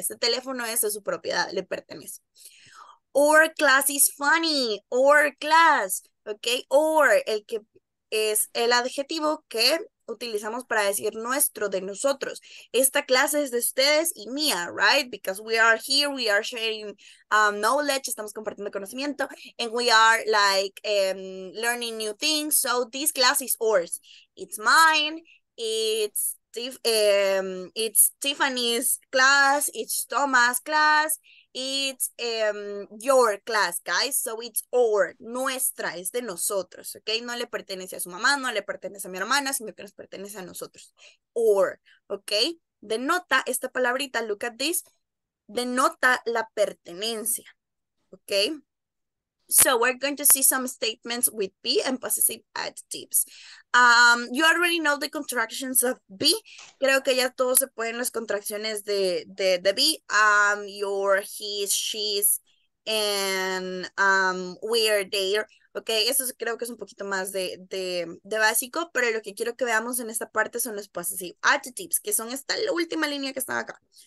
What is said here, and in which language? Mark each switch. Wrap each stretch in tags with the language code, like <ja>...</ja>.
<es>Este teléfono es de su propiedad, le pertenece.</es> <en>Or class is funny.</en> <es>Or class, okay? Or, el que es el adjetivo que utilizamos para decir nuestro, de nosotros. Esta clase es de ustedes y mía, right?</es> <en>Because we are here, we are sharing knowledge,</en> <es>estamos compartiendo conocimiento,</es> <en>and we are like learning new things. So this class is ours. It's mine, it's Tiffany's class, it's Thomas' class, it's your class, guys. So it's our, nuestra,</en> <es>es de nosotros,</es> <en>okay?</en> <es>No le pertenece a su mamá, no le pertenece a mi hermana, sino que nos pertenece a nosotros. Our, okay? Denota esta palabrita,</es> <en>look at this,</en> <es>denota la pertenencia, okay?</es> <en>So we're going to see some statements with be and possessive adjectives. You already know the contractions of be.</en> <es>Creo que ya todos se pueden las contracciones de be.</es> <en>Your, his, she's, and we're there.</en> <es>Okay, eso creo que es un poquito más de básico, pero lo que quiero que veamos en esta parte son los possessive adjectives, que son esta última línea que están acá.</es>